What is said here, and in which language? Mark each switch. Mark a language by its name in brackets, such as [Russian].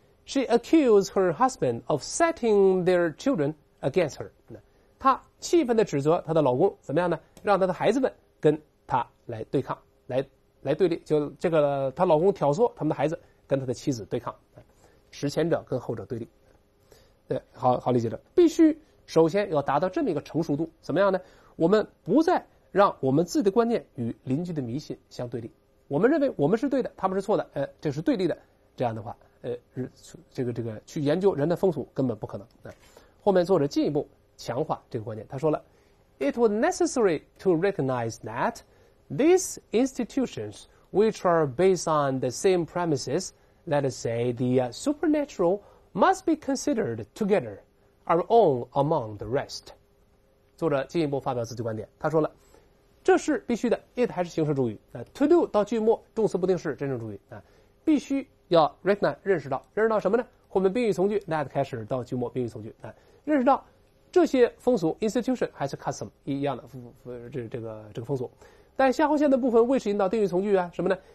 [English] She accused her husband of setting their children against her. [Chinese] 她气愤地指责她的老公怎么样呢？让她的孩子们跟她来对抗，来对立，就这个她老公挑唆他们的孩子跟她的妻子对抗，实前者跟后者对立。对，好理解的，必须首先要达到这么一个成熟度，怎么样呢？我们不再让我们自己的观念与邻居的迷信相对立，我们认为我们是对的，他们是错的，这是对立的。这样的话，这个去研究人的风俗根本不可能。后面作者进一步强化这个观点，他说了 [English] ：“It was necessary to recognize that these institutions, which are based on the same premises, let us say the supernatural, must be considered together, are own among the rest。” [Chinese] 作者进一步发表自己观点，他说了。这是必须的 ，it 还是形式主语 ，to do 到句末，动词不定式，真正主语必须要 recognize 认识到什么呢？后面宾语从句 that 开始到句末宾语从句认识到这些风俗 institution 还是 custom 一样的这个风俗，但下划线的部分为是引导定语从句啊什么呢？